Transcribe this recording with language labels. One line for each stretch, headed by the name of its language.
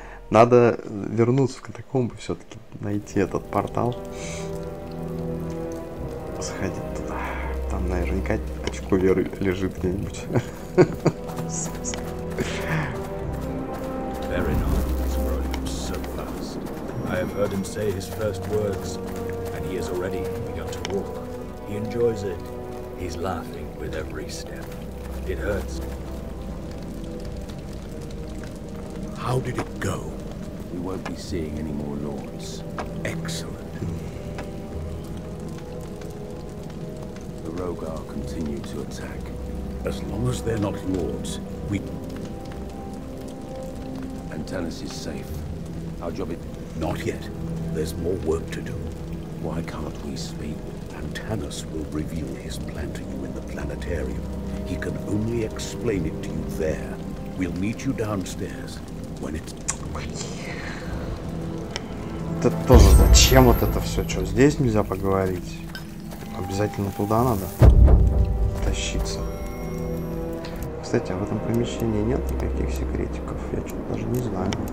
Russian: Надо вернуться в катакомбы, все-таки найти этот портал, сходить туда. Там наверняка очко веры лежит где-нибудь.
English: Веринар is growing up so fast. I have heard him say his first words, and he has already begun to walk. He enjoys it. He's laughing with every step. It hurts. How did it go? We won't be seeing any more lords. Excellent. The Rogar continue to attack. As long as they're not lords, we... Antanas is safe. Our job is... Not yet. There's more work to do. Why can't we speak? Antanas will reveal his plan to you in the planetarium. He can only explain it to you there. We'll meet you downstairs when it's...
Russian: Это тоже зачем вот это все? Что, здесь нельзя поговорить? Обязательно туда надо тащиться. Кстати, а в этом помещении нет никаких секретиков? Я что-то даже не знаю.